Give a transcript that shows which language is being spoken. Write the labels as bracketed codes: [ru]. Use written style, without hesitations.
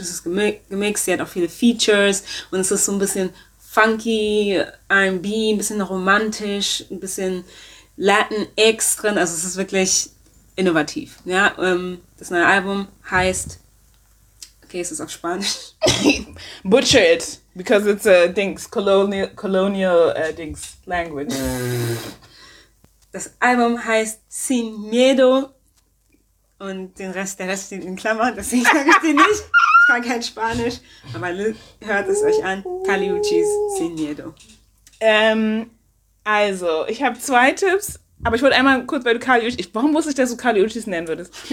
[de] Es ist gemixt. Sie hat auch viele Features. Und es ist so ein bisschen funky, R&B, ein bisschen romantisch, ein bisschen Latin-X drin. Also es ist wirklich innovativ. Ja, das neue Album heißt... Okay, es ist auf Spanisch. [en] Butcher it, because it's a Dings, colonial Dings language. [de] Das Album heißt Sin Miedo und der Rest steht in Klammern, das sehe ich dir nicht. Ich kann kein Spanisch, aber hört es euch an. Kali Uchis, Sin Miedo. Also, ich habe zwei Tipps, aber ich wollte einmal kurz, weil du Kali Uchis, warum wusste ich, dass du Kali Uchis nennen würdest?